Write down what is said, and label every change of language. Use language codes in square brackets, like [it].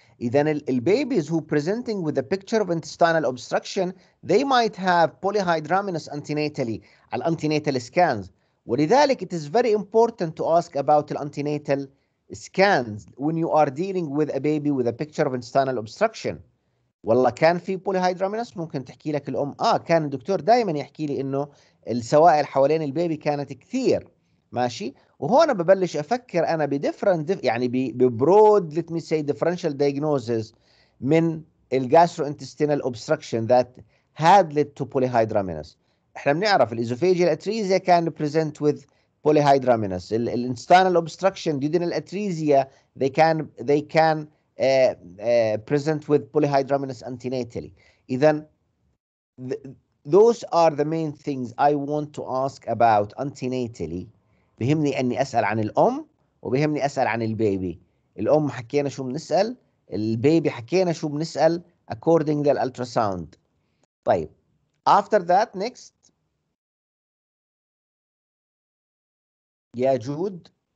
[en] Then the babies who presenting with a picture of intestinal obstruction, they might have polyhydraminous antenatally, al antenatal scans. [ar] ولذلك [en] it is very important to ask about the antenatal scans when you are dealing with a baby with a picture of intestinal obstruction. [ar] والله كان في polyhydraminous ممكن تحكي لك الأم. كان الدكتور دائما يحكي لي إنه السوائل حوالين البيبي كانت كثير. ماشي. وهنا ببلش أفكر أنا بديفرنت يعني ببرود [en] let me say differential diagnosis [ar] من الgastrointestinal obstruction [en] that had led to polyhydraminous. [ar] إحنا بنعرف الإزوفاجيال أتريزيا كان present with polyhydraminous. [en] الintestinal obstruction duodenal atresia they can present with polyhydraminous antenatally. [ar] إذن [en] those are the main things I want to ask about antenatally. [ar] بهمني أني أسأل عن الأم وبهمني أسأل عن البيبي. الأم حكينا شو بنسأل، البيبي حكينا شو بنسأل [en] according to the ultrasound. [ar] طيب [en] after that next [ar] يا جود